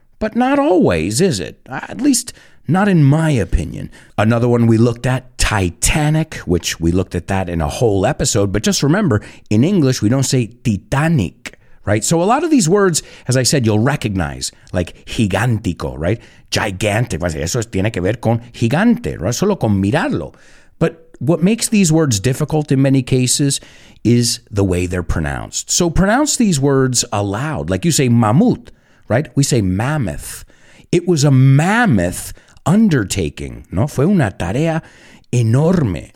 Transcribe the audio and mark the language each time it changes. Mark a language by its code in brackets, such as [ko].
[en] But not always, is it? At least not in my opinion. Another one we looked at, Titanic, which we looked at that in a whole episode. But just remember, in English, we don't say Titanic, right? So a lot of these words, as I said, you'll recognize, like gigantico, right? Gigantic. [es] Eso tiene que ver con gigante, right? Solo con mirarlo. [en] What makes these words difficult in many cases is the way they're pronounced. So pronounce these words aloud. Like you say mammoth, right? We say mammoth. It was a mammoth undertaking, ¿no? [es] Fue una tarea enorme.